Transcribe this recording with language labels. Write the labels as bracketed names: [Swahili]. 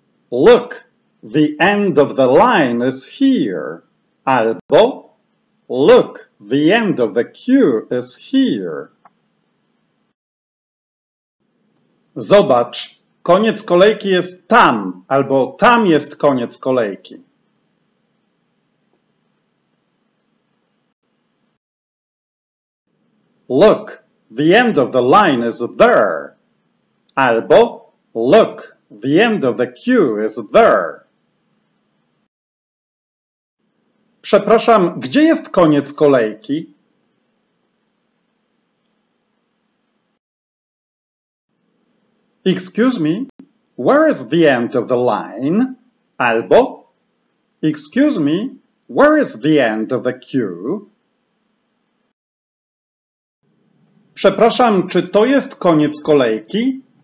[English] Look, the end of the line is here. [Polish] Albo, [English] look, the end of the queue is here. [Polish] Zobacz, koniec kolejki jest tam. Albo tam jest koniec kolejki. [English] Look, the end of the line is there. [Polish] Albo, [English] look, the end of the queue is there. [Polish] Przepraszam, gdzie jest koniec kolejki? [English] Excuse me, where is the end of the line? [Polish] Albo [English] excuse me, where is the end of the queue? [Polish] Przepraszam, czy to jest koniec kolejki?